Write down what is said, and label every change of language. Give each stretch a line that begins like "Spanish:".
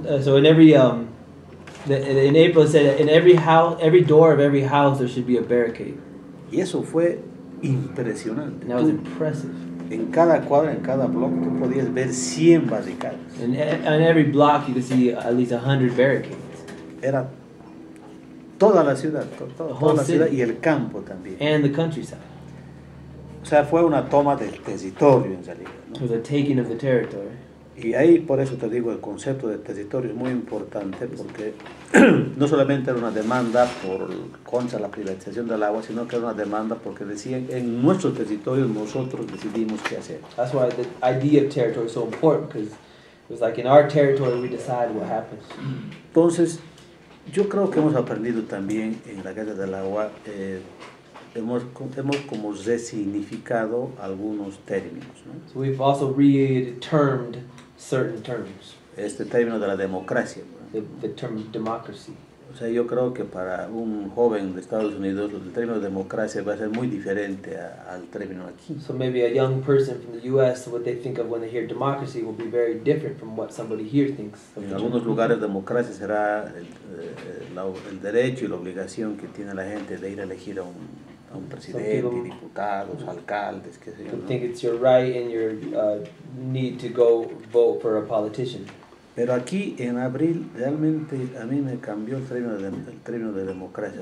English: So in every, in April it said in every house, every door of every house there should be a barricade.
Spanish: Y eso fue impresionante.
English: That was impressive.
Spanish: En cada cuadra, en cada bloque, tú podías ver 100 barricadas.
English: On every block, you could see at least 100 barricades.
Spanish: Era toda la ciudad, toda la ciudad y el campo también.
English: And the countryside.
Spanish: O sea, fue una toma del territorio en realidad, ¿no?
English: It was a taking of the territory.
Spanish: Y ahí, por eso te digo, el concepto de territorio es muy importante, porque no solamente era una demanda contra la privatización del agua, sino que era una demanda porque decían, en nuestro territorio nosotros decidimos qué hacer.
English: That's why the idea of territory is so important, because it was like, in our territory we decide what happens.
Spanish: Entonces, yo creo que hemos aprendido también en la guerra del agua hemos como resignificado algunos términos, ¿no?
English: So we've also re-termed certain terms.
Spanish: Este término de la democracia.
English: The term democracy.
Spanish: O sea, yo creo que para un joven de Estados Unidos el término democracia va a ser muy diferente al término aquí.
English: So maybe a young person from the U.S. what they think of when they hear democracy will be very different from what somebody here thinks.
Spanish: En algunos lugares democracia será el derecho y la obligación que tiene la gente de ir a elegir a un presidente,
English: people,
Spanish: diputados, alcaldes, qué sé yo.
English: Think it's your right and your need to go vote for a politician.
Spanish: Pero aquí en abril realmente a mí me cambió el término de democracia.